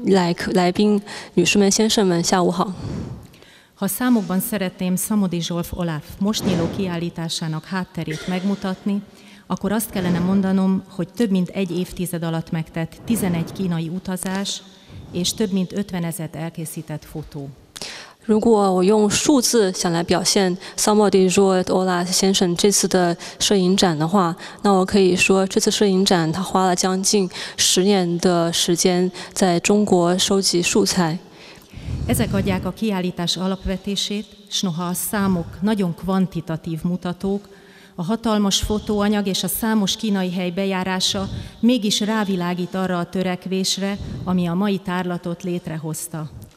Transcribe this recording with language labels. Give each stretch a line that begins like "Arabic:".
Chinese: 尊敬的院长先生，尊敬的副部长先生，尊敬的来宾女士们、先生们，下午好。
Hungarian: Ha számokban szeretném Szamodi Zsolf Olaf most nyíló kiállításának hátterét megmutatni, akkor azt kellene mondanom, hogy több mint egy évtized alatt megtett 11 kínai utazás és több mint 50 ezer elkészített fotó.
Chinese: 如果我用数字想来表现 Szamodi Zsolt Olaf 先生这次的摄影展的话，那我可以说这次摄影展他花了将近十年的时间在中国收集素材。
Hungarian: Ezek adják a kiállítás alapvetését, s noha a számok nagyon kvantitatív mutatók, a hatalmas fotóanyag és a számos kínai hely bejárása mégis rávilágít arra a törekvésre, ami a mai tárlatot létrehozta.